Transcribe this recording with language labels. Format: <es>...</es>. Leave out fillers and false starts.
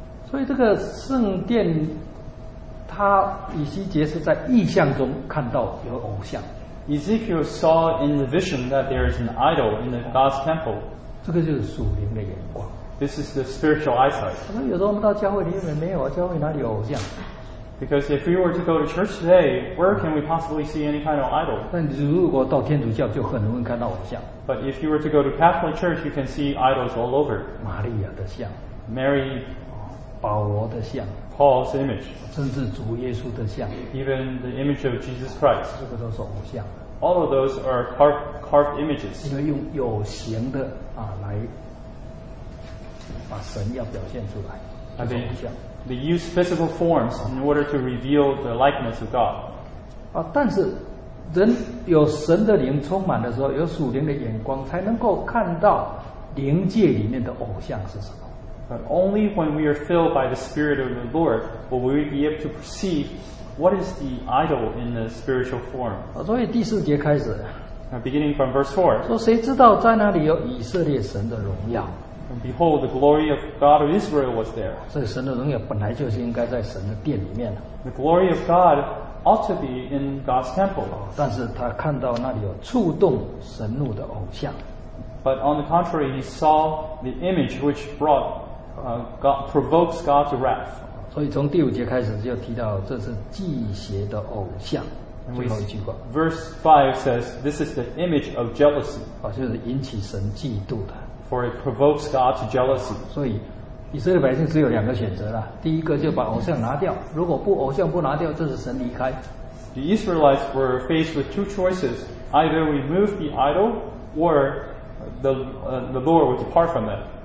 <zh>所以这个圣殿，他以西结是在异象中看到有偶像。</zh> <en>Ezekiel saw in the vision that there is an idol in the God's temple.</en> <zh>这个就是属灵的眼光。</zh> <en>This is the spiritual eyesight.</en> <zh>那有时候我们到教会里面没有，教会哪里有偶像？</zh> <en>Because if we were to go to church today, where can we possibly see any kind of idol?</en> <zh>但如果到天主教，就很容易看到偶像。</zh> <en>But if you were to go to Catholic church, you can see idols all over.</en> <zh>玛利亚的像。</zh> <en>Mary.</en> <zh>保罗的像。</zh> <en>Paul's image.</en> <zh>甚至主耶稣的像。</zh> <en>Even the image of Jesus Christ.</en> <zh>这个都是偶像。</zh> <en>All of those are carved images.</en> <zh>因为用有形的来把神要表现出来。</zh> <en>They use physical forms in order to reveal the likeness of God.</en> <zh>但是人有神的灵充满的时候，有属灵的眼光，才能够看到灵界里面的偶像是什么。</zh> <en>But only when we are filled by the Spirit of the Lord will we be able to perceive what is the idol in the spiritual form.</en> <zh>所以第四节开始。</zh> <en>Beginning from verse 4.</en> <zh>说谁知道在那里有以色列神的荣耀。</zh> <en>And behold, the glory of God of Israel was there.</en> <zh>所以神的荣耀本来就是应该在神的殿里面。</zh> <en>The glory of God ought to be in God's temple.</en> <zh>但是他看到那里有触动神怒的偶像。</zh> <en>But on the contrary, he saw the image which brought God, provokes God's wrath.</en> <zh>所以从第五节开始就提到这是祭邪的偶像，最后一句话。</zh> <en>Verse 5 says, this is the image of jealousy.</en> <zh>就是引起神嫉妒的。</zh> <en>For it provokes God's jealousy.</en> <zh>所以以色列百姓只有两个选择了，第一个就把偶像拿掉，如果不偶像不拿掉，这是神离开。</zh> <en>The Israelites were faced with two choices, either remove the idol or the Lord would depart from them.</en>